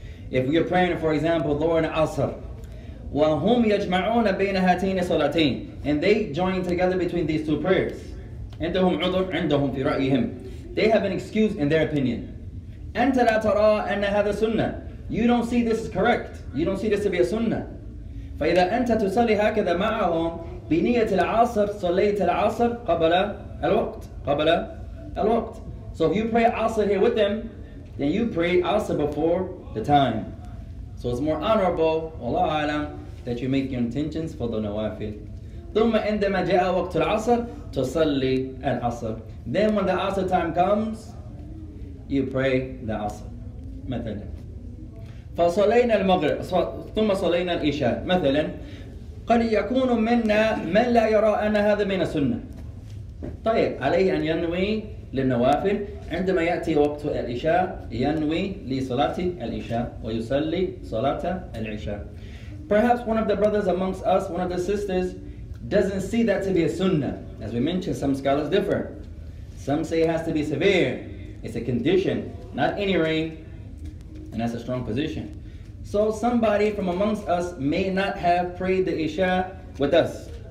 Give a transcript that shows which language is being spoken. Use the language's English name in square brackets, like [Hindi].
[English] If you're praying, for example, Dhuhr and Asr, [Arabic] وَهُمْ يَجْمَعُونَ بَيْنَ هَاتِينِ صَلَاتِينَ [English] and they join together between these two prayers. [Arabic] عندهم عذر عندهم في رأيهم. [English] They have an excuse in their opinion. [Arabic] أنت لا ترى أن هذا سنة. [English] You don't see this is correct. You don't see this to be a sunnah. [Arabic] فإذا أنت تصلي هكذا معهم بنية العصر صليت العصر قبل الوقت قبل الوقت. [English] So if you pray Asr here with them, then you pray Asr before the time. So it's more honorable, Allah a'lam, that you make your intentions for the nawafil. [Arabic] ثُمَّ عِنْدَمَا جَاءَ وَقْتُ الْعَصَرِ تُصَلِّي الْعَصَرِ. [English] Then when the Asr time comes, you pray the Asr. [Arabic] مثلاً. فَصَلَيْنَا الْمَغْرِبِ ثُمَّ صَلَيْنَا الْإِشَاءِ مثلاً. قَلْ يَكُونُ مِنَّا مَنْ لَا يَرَى أَنَّ هَذَا مِنَ السُنَّةِ. طيب عليه أن ينوي للنوافل عندما يأتي وقت العشاء ينوي لصلاة العشاء ويصلي صلاة العشاء. [English] Perhaps one of the brothers amongst us, one of the sisters, doesn't see that to be a sunnah. As we mentioned, some scholars differ. Some say it has to be severe. It's a condition, not any rain. And that's a strong position. So somebody from amongst us may not have prayed the Isha with us.